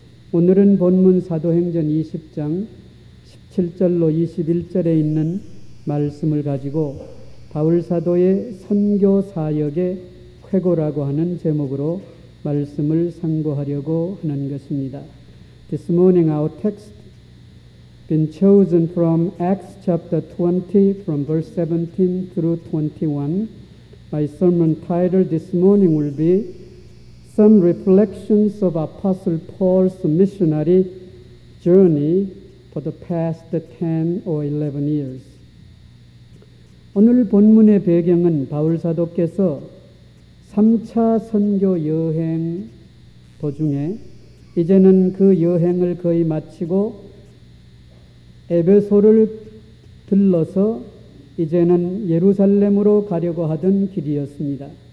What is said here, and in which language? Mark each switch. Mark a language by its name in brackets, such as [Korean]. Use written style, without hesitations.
[Korean] 오늘은 본문 사도행전 20장 17절로 21절에 있는 말씀을 가지고 바울사도의 선교사역의 쾌고라고 하는 제목으로 말씀을 상고하려고 하는 것입니다. [English] This morning our text been chosen from Acts chapter 20 from verse 17 through 21. My sermon title this morning will be Some Reflections of Apostle Paul's Missionary Journey for the past 10 or 11 years. [Korean] 오늘 본문의 배경은 바울 사도께서 3차 선교 여행 도중에 이제는 그 여행을 거의 마치고 에베소를 들러서 이제는 예루살렘으로 가려고 하던 길이었습니다.